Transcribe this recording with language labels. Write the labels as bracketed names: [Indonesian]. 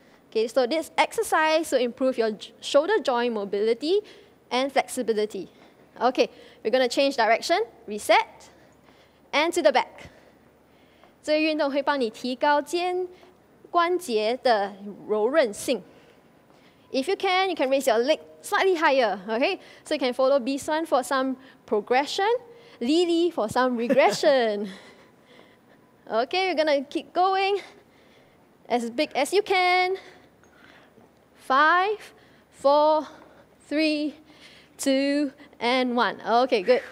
[English] Okay, so this exercise will improve your shoulder joint mobility and flexibility. Okay, we're going to change direction, reset, and to the back. [Chinese] 这个运动会帮你提高肩关节的柔韧性。 [English] If you can, you can raise your leg slightly higher, okay? So you can follow Bison for some progression, Lily for some regression. Okay, we're going to keep going as big as you can. 5, 4, 3, 2, and 1. Okay, good.